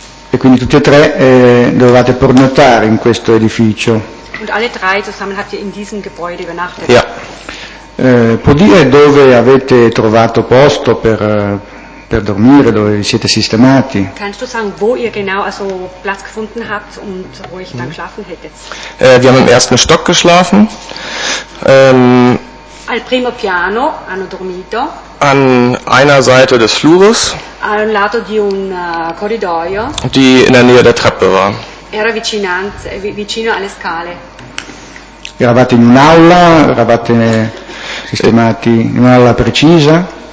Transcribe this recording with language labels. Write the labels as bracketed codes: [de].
[it] E quindi tutti e tre dovevate pernottare in questo edificio. [de] Und alle drei zusammen habt ihr in diesem Gebäude übernachtet. Ja. [it] Può dire dove avete trovato posto per dormire, dove vi siete sistemati? [de] Kannst du sagen, wo ihr genau also Platz gefunden habt und wo ich dann schlafen hättet? Wir haben im ersten Stock geschlafen. [it] Al primo piano hanno dormito. [de] An einer Seite des Flures. [it] Al lato di un corridoio. [de] Die in der Nähe der Treppe war. [it] Era vicino alle scale. Eravate in un'aula, eravate sistemati in un'aula precisa?